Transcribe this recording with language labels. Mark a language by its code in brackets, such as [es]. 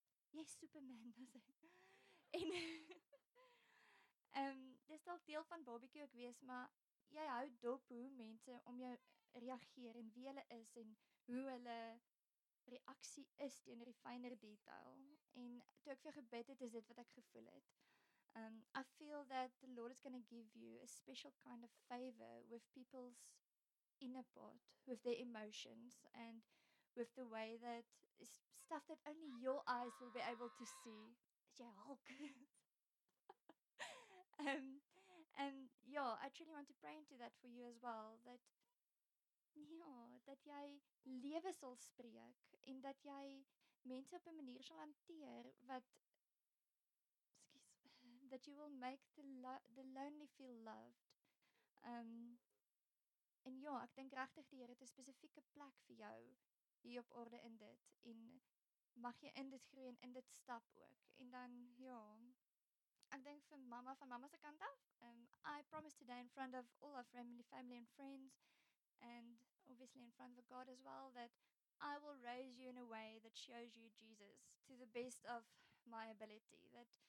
[af] Jy is Superman, as ek. En, dit is dalk deel van barbecue ook wees, maar jy hou dop hoe mense om jou reageer en wie hulle is en hoe hulle reaksie is teenoor die fynere detail. En toe ek vir jou gebid het, is dit wat ek gevoel het. [en] I feel that the Lord is going to give you a special kind of favor with people's inner part, with their emotions, and with the way that is stuff that only your eyes will be able to see. Yeah, Hulk. and yeah, I truly want to pray into that for you as well, that [af] Ja, dat jy lewe sal spreek en dat jy mense op 'n manier sal hanteer wat [en] that you will make the lonely feel loved. [af] En ja, ek dink regtig die Here het 'n spesifieke plek vir jou hier op aarde in dit en mag jy in dit groei en in dit stap ook. En dan ja, ek dink vir mamma van mamma se kant af, [en] I promise today in front of all our family and friends and obviously in front of God as well that I will raise you in a way that shows you Jesus to the best of my ability, that